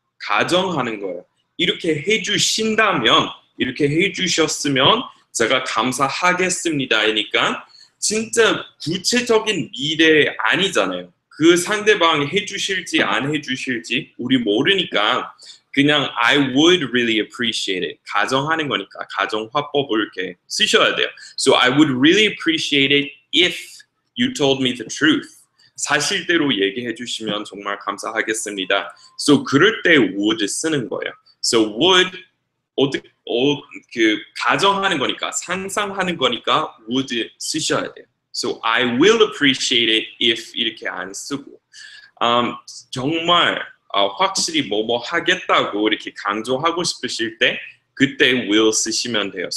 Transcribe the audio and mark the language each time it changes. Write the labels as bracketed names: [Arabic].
[Korean] 가정하는 거예요. 이렇게 해주신다면, 이렇게 해주셨으면 제가 감사하겠습니다. 이니까 진짜 구체적인 미래 아니잖아요. 그 상대방 해주실지 안 해주실지 우리 모르니까 그냥 [English] I would really appreciate it. [Korean] 가정하는 거니까 가정 화법을 이렇게 쓰셔야 돼요. [English] So I would really appreciate it if you told me the truth. [Korean] 사실대로 얘기해 주시면 정말 감사하겠습니다. So 그럴 때 would 쓰는 거예요. So would 그 가정하는 거니까 상상하는 거니까 would 쓰셔야 돼요. [English] So I will appreciate it if [Korean] 이렇게 안 쓰고 정말 확실히 뭐뭐 하겠다고 이렇게 강조하고 싶으실 때 그때 will 쓰시면 돼요.